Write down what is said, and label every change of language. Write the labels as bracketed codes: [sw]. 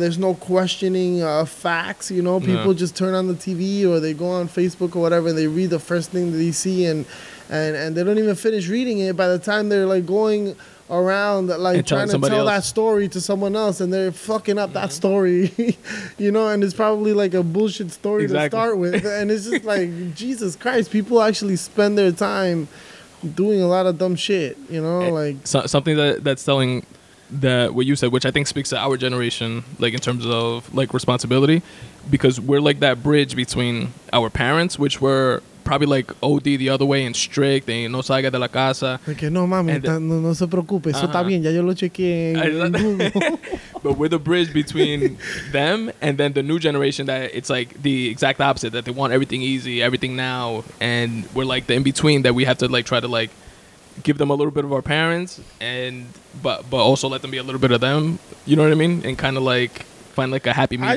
[en] There's no questioning facts, you know. People just turn on the TV or they go on Facebook or whatever, and they read the first thing that they see, and they don't even finish reading it by the time they're, like, going around, like, trying to tell that story to someone else, and they're fucking up that story, you know, and it's probably, like, a bullshit story to start with, and it's just like, Jesus Christ, people actually spend their time doing a lot of dumb shit, you know, like, something that's telling, that what you said, which I think speaks to our generation, like, in terms of, like, responsibility, because we're, like, that bridge between our parents, which were probably, like, OD the other way and strict, and [es] no salga de la casa. Like, no, mami, no se preocupe. Eso está bien. Ya yo lo chequeé en Google. [en] But we're the bridge between them and then the new generation, that it's, like, the exact opposite, that they want everything easy, everything now. And we're, like, the in-between that we have to, like, try to, like, give them a little bit of our parents, and but also let them be a little bit of them. You know what I mean? And kind of, like, find, like, a happy medium.